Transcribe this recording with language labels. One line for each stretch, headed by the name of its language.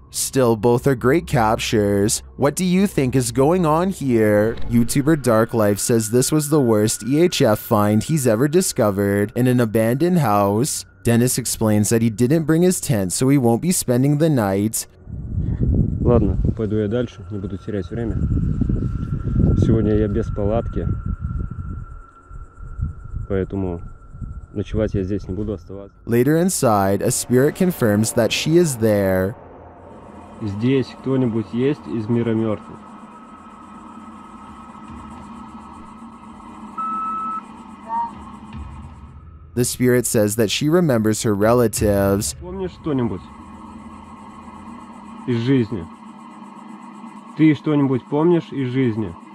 English: Still, both are great captures. What do you think is going on here? YouTuber Darklife says this was the worst EHF find he's ever discovered in an abandoned house. Dennis explains that he didn't bring his tent, so he won't be spending the night.
Russian: Ладно, пойду я дальше, не буду терять время. Сегодня я без палатки, поэтому.
English: Later inside, a spirit confirms that she is there.
Russian: Здесь кто-нибудь есть из мира мертвых?
English: The spirit says that she remembers her relatives.
Russian: Помнишь что-нибудь из жизни? Ты что-нибудь помнишь из жизни?